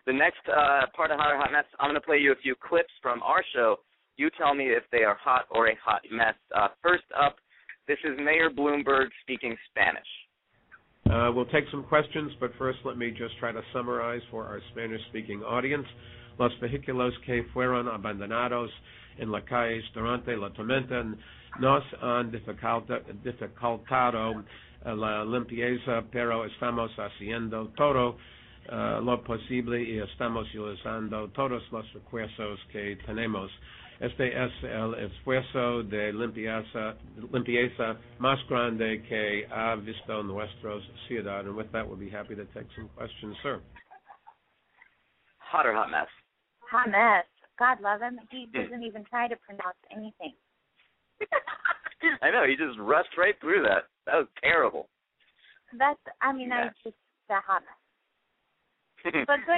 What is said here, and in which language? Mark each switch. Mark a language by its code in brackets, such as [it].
[en] The next part of Hot or Hot Mess, I'm going to play you a few clips from our show. You tell me if they are hot or a hot mess. First up, this is Mayor Bloomberg speaking Spanish. We'll take some questions, but first let me just try to summarize for our Spanish-speaking audience. [es] Los vehículos que fueron abandonados en las calles durante la tormenta nos han dificultado la limpieza, pero estamos haciendo todo lo posible y estamos usando todos los recursos que tenemos. Este es el esfuerzo de limpieza más grande que ha visto nuestra ciudad. [en] And with that, we'll be happy to take some questions, sir. Hot or hot mess? Hot mess. God love him. He doesn't even try to pronounce anything. I know. He just rushed right through that. That was terrible. I just the hot mess. But good